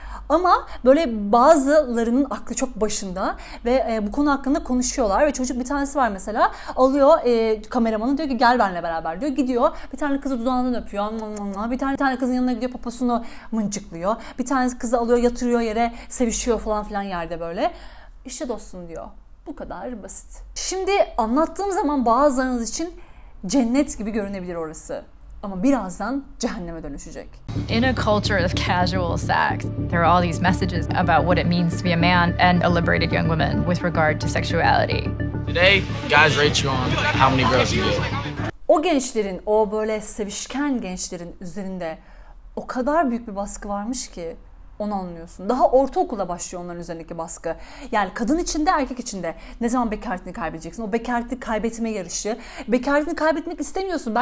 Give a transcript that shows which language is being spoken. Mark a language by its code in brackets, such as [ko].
[tr] Ama böyle bazılarının aklı çok başında ve bu konu hakkında konuşuyorlar ve çocuk bir tanesi var mesela, alıyor kameramanı, diyor ki gel benimle beraber diyor, gidiyor bir tane kızı dudağından öpüyor, bir tane kızın yanına gidiyor poposunu mıncıklıyor, bir tane kızı alıyor yatırıyor yere sevişiyor falan filan yerde böyle, işte dostum diyor, bu kadar basit. Şimdi anlattığım zaman bazılarınız için cennet gibi görünebilir orası. Ama birazdan cehenneme dönüşecek. [en] In a culture of casual sex, there are all these messages about what it means to be a man and a liberated young woman with regard to sexuality. Today, guys rate you on how many girls you get. [tr] O gençlerin, o böyle sevişken gençlerin üzerinde o kadar büyük bir baskı varmış ki, onu anlıyorsun. Daha ortaokula başlıyor onların üzerindeki baskı. Yani kadın içinde, erkek içinde ne zaman bekaretini kaybedeceksin? O bekaretini kaybetme yarışı. Bekaretini kaybetmek istemiyorsun.